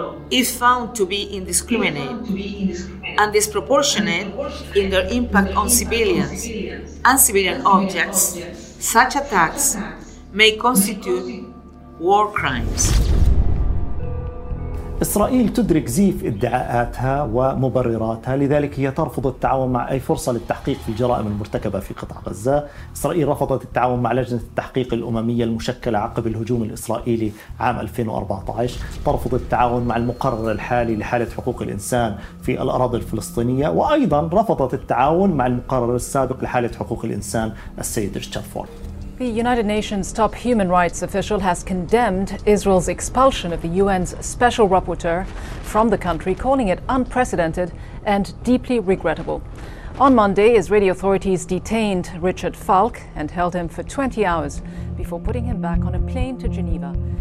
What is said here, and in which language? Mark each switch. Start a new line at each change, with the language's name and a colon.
English: If found to be indiscriminate and disproportionate in their impact on civilians and civilian objects, such attacks may constitute war crimes.
Arabic: إسرائيل تدرك زيف إدعاءاتها ومبرراتها، لذلك هي ترفض التعاون مع أي فرصة للتحقيق في الجرائم المرتكبة في قطاع غزة. إسرائيل رفضت التعاون مع لجنة التحقيق الأممية المشكلة عقب الهجوم الإسرائيلي عام 2014، ترفض التعاون مع المقرر الحالي لحالة حقوق الإنسان في الأراضي الفلسطينية، وأيضا رفضت التعاون مع المقرر السابق لحالة حقوق الإنسان السيد ريتشارد فورد.
English: The United Nations top human rights official has condemned Israel's expulsion of the UN's special rapporteur from the country, calling it unprecedented and deeply regrettable. On Monday, Israeli authorities detained Richard Falk and held him for 20 hours before putting him back on a plane to Geneva.